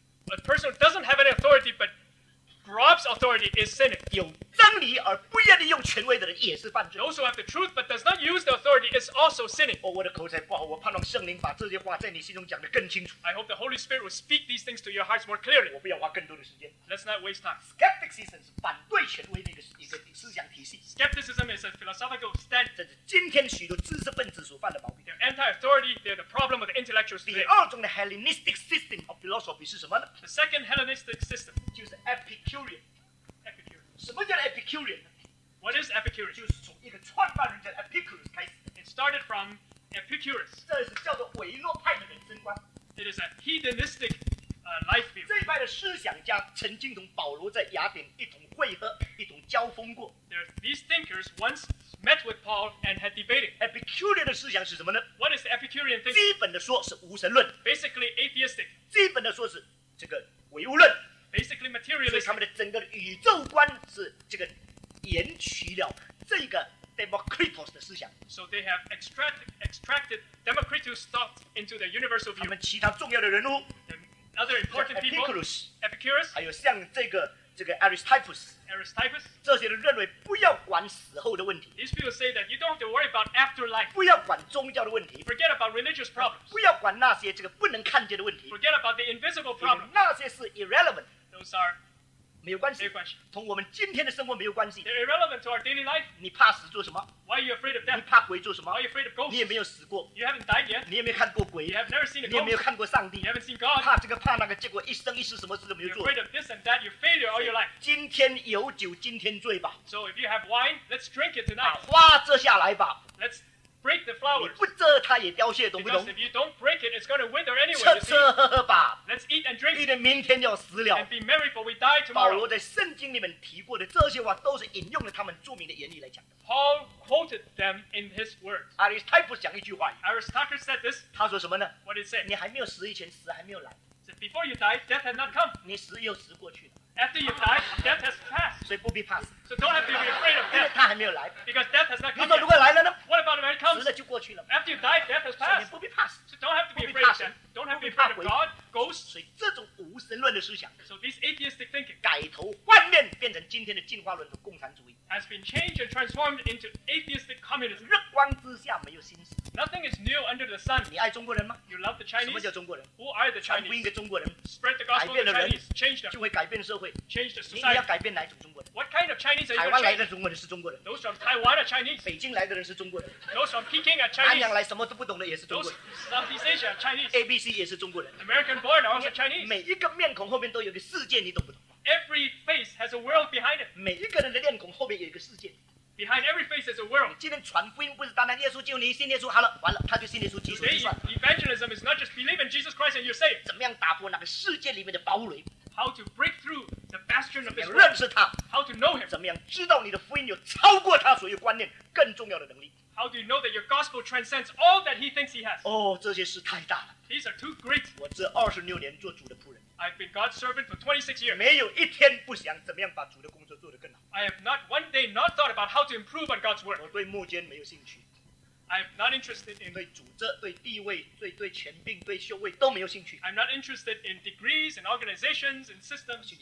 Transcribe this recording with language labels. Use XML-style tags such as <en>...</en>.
<en>A person who doesn't have any authority but grabs authority is sinning.</en> <zh>有真理而不愿意用权威的人也是犯罪。</zh> <en>Those who have the truth but does not use the authority is also sinning.</en> <zh>我的口才不好，我盼望圣灵把这些话在你心中讲得更清楚。</zh> <en>I hope the Holy Spirit will speak these things to your hearts more clearly.</en> <zh>我不要花更多的时间。</zh> <en>Let's not waste time.</en> <zh>Skepticism 是反对权威的一个思想体系。</zh> <en>Skepticism is a philosophical stand.</en> <zh>这是今天许多知识分子所犯的毛病。</zh> <en>They're anti-authority. They're the problem of the intellectuals.</en> <zh>第二种的</zh> <en>Hellenistic system of philosophy</en> <zh>是什么呢？</zh> <en>The second Hellenistic system</en> <zh>就是 Epicurean. 什么叫 Epicurean?</zh> <en>What is Epicurean?</en> <zh>就是从一个创办人叫 Epicurus 开始。</zh> <en>It started from Epicurus.</en> <zh>这是叫做韦诺派的人生观。</zh> <en>It is a hedonistic, life view.</en> <zh>这一派的思想家曾经同保罗在雅典一同会合，一同交锋过。</zh> <en>These thinkers once met with Paul and had debated.</en> <zh>Epicurean 的思想是什么呢？</zh> <en>What is the Epicurean thinking?</en> <zh>基本的说是无神论。</zh> <en>Basically atheistic.</en> <zh>基本的说是这个唯物论。</zh> <en>Basically materialist.</en> <zh>所以他们的整个宇宙观是这个延续了这个 Democritus 的思想。</zh> <en>So they have extracted Democritus' thought into their universal view.</en> <zh>他们其他重要的人物</zh> <en>other important people, Epicurus, Epicurus,</en> <zh>还有像这个 Aristippus, 这些人认为不要管死后的问题。</zh> <en>These people say that you don't have to worry about afterlife.</en> <zh>不要管宗教的问题。</zh> <en>Forget about religious problems.</en> <zh>不要管那些这个不能看见的问题。</zh> <en>Forget about the invisible problems.</en> <zh>那些是 irrelevant.</zh> <en>Those</en> <zh>are 同我们今天的生活没有关系。</zh> <en>They're irrelevant to our daily life.</en> <zh>你怕死做什么？</zh> <en>Why are you afraid of death?</en> <zh>你怕鬼做什么？</zh> <en>Why are you afraid of ghosts?</en> <zh>你也没有死过。</zh> <en>You haven't died yet.</en> <zh>你也没有看过鬼。</zh> <en>You have never seen a ghost.</en> <zh>你也没有看过上帝。</zh> <en>You haven't seen God.</en> <zh>怕这个怕那个，结果一生一世什么事都没有做。</zh> <en>You're afraid of this and that. You're failure all your life.</en> <zh>今天有酒今天醉吧。</zh> <en>So if you have wine, let's drink it tonight.</en> <zh>花这下来吧。</zh> <en>Let's break the flowers.</en> <zh>不遮它也凋谢，懂不懂？</zh> <en>Because if you don't break it, it's going to wither anyway.</en> <zh>吃喝吧。</zh> <en>Let's eat and drink.</en> <zh>因为明天要死了。</zh> <en>And be merry, for we die tomorrow.</en> <zh>保罗在圣经里面提过的这些话，都是引用了他们著名的言语来讲的。</zh> <en>Paul quoted them in his words.</en> <zh>Aristarchus 讲一句话语。</zh> <en>Aristarchus said this.</en> <zh>他说什么呢？</zh> <en>What did he say?</en> <zh>你还没有死以前，死还没有来。</zh> <en>Said before you die, death had not come.</en> <zh>你死又死过去了。</zh> <en>After you die, death has passed.</en> <zh>所以不必怕。</zh> <en>So don't have to be afraid of death.</en> <zh>因为他还没有来。</zh> <en>Because death has not come.</en> <zh>如果来了呢？</zh> <en>What about when it comes?</en> <zh>死了就过去了。</zh> <en>After you die, death has passed.</en> <zh>所以你不必怕。</zh> <en>So don't have to be afraid of death. Don't have to be afraid of God, ghosts.</en> <zh>所以这种无神论的思想。</zh> <en>So this atheistic thinking.</en> <zh>改头换面，变成今天的进化论的共产主义。</zh> <en>Has been changed and transformed into atheistic communism.</en> <zh>日光之下没有新事。</zh> <en>Nothing is new under the sun.</en> <zh>你爱中国人吗？</zh> <en>You love the Chinese?</en> <zh>什么叫中国人？</zh> <en>Who are the Chinese?</en> <zh>传福音的中国人。</zh> <en>Spread the gospel of the Chinese. Change them.</en> <zh>就会改变社会。</zh> <en>Change the society.</en> <zh>你要改变哪一种中国人？</zh> <en>What kind of Chinese are you?</en> <zh>台湾来的中国人是中国人。</zh> <en>Those from Taiwan are Chinese.</en> <zh>北京来的人是中国人。</zh> <en>Those from Peking are Chinese.</en> <zh>南洋来什么都不懂的也是中国人。</zh> <en>Southeast Asia are Chinese.</en> <zh>ABC 也是中国人。</zh> <en>American born are also Chinese.</en> <zh>每一个面孔后面都有个世界，你懂不懂？</zh> <en>Every face has a world behind it.</en> <zh>每一个人的面孔后面有一个世界。</zh> <en>Behind every face is a world.</en> <zh>今天传福音不是单单耶稣救你，信耶稣好了，完了，他就信耶稣基督就算了。</zh> <en>Evangelism is not just believe in Jesus Christ and you're saved.</en> <zh>怎么样打破那个世界里面的堡垒？</zh> <en>How to break through the bastion of this world?</en> <zh>怎么样认识他？</zh> <en>How to know him?</en> <zh>怎么样知道你的福音有超过他所有观念更重要的能力？</zh> <en>How do you know that your gospel transcends all that he thinks he has?</en> <zh>哦，这些事太大了。</zh> <en>These are too great.</en> <zh>我这26年做主的仆人。</zh> <en>I've been God's servant for 26 years.</en> <zh>没有一天不想怎么样把主的工作做得更好。</zh> <en>I have not one day not thought about how to improve on God's work.</en> <zh>我对牧监没有兴趣。</zh> <en>I'm not interested in</en> <zh>对组织、对地位、对权柄、对修为都没有兴趣。</zh> <en>I'm not interested in degrees and organizations and systems.</en>